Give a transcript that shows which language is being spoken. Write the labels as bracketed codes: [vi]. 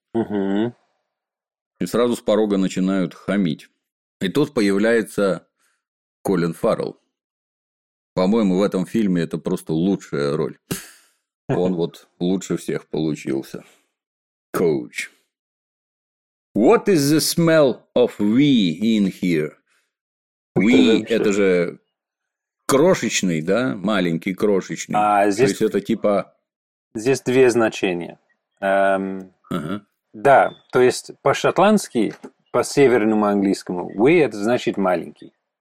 [ru] Угу. И сразу с порога начинают хамить. И тут появляется Колин Фаррелл. По-моему, в этом фильме это просто лучшая роль. Он вот лучше всех получился. Коуч. [en] What is the smell of wee in here? Wee – [ru] это же крошечный, да, маленький, крошечный. А здесь... То есть это типа... Здесь две значения. Ага. Да, то есть по-шотландски, по-северному английскому, we – это значит маленький.